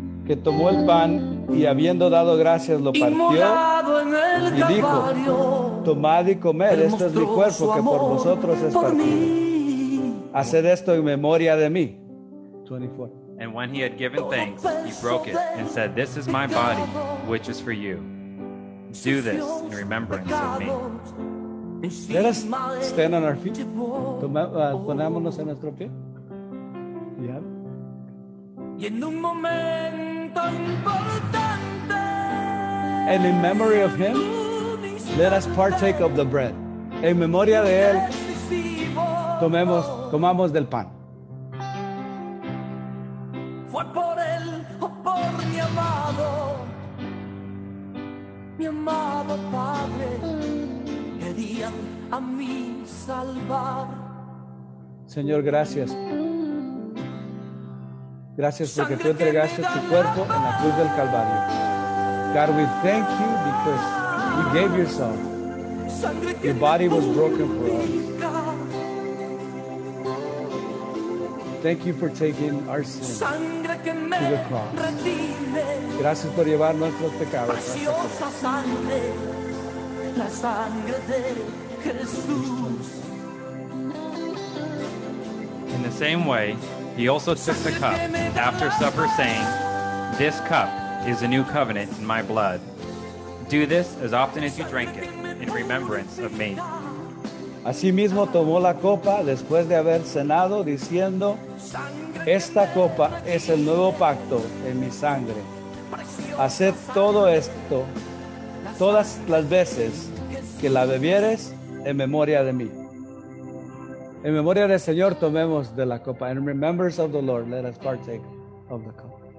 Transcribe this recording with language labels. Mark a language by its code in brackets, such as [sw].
[es] que tomó el pan y habiendo dado gracias lo partió y dijo, tomad y comed, esto es mi cuerpo que por vosotros es partido. Haced esto en memoria de mí. 24. [en] And when he had given thanks, he broke it and said, this is my body, which is for you. Do this in remembrance of me. Let us stand on our feet. [es] Ponámonos en nuestro pie. [en] Yeah. [es] Y en un momento importante, [en] and in memory of him, let us partake of the bread. [es] En memoria de él, comamos del pan. Fue por él o por mi amado padre, querían a mí salvar. Señor, gracias. Gracias porque tú entregaste tu cuerpo en la cruz del Calvario. [en] God, we thank you because you gave yourself. Your body was broken for us. Thank you for taking our sin to the cross. [es] Gracias por llevar nuestros pecados. Preciosa sangre, la sangre de Jesús. [en] In the same way, he also took the cup after supper, saying, this cup is a new covenant in my blood. Do this as often as you drink it in remembrance of me. [es] Asimismo tomó la copa después de haber cenado, diciendo, esta copa es el nuevo pacto en mi sangre. Haced todo esto todas las veces que la bebieres en memoria de mí. En memoria del Señor, tomemos de la copa. [en] In remembrance of the Lord, let us partake of the cup.